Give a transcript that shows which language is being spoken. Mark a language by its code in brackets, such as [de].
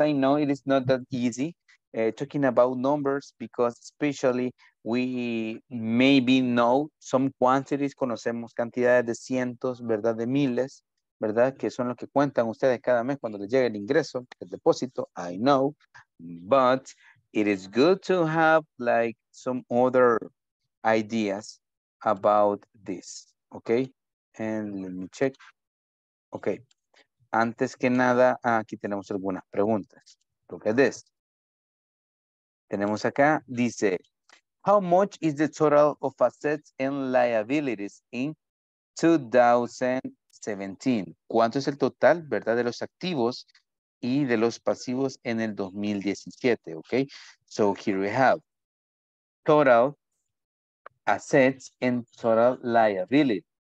[en] I know it is not that easy talking about numbers, because especially we maybe know some quantities, [es] conocemos cantidades de cientos, ¿verdad? De miles, ¿verdad? Que son los que cuentan ustedes cada mes cuando les llega el ingreso, el depósito. [en] I know. But it is good to have like some other ideas about this. Okay, and let me check. [es] Okay, antes que nada, aquí tenemos algunas preguntas. [en] Look at this. [es] Tenemos acá, dice, [en] how much is the total of assets and liabilities in 2017? [es] ¿Cuánto es el total, verdad, de los activos y de los pasivos en el 2017? [en] Okay, so here we have total assets and total liabilities.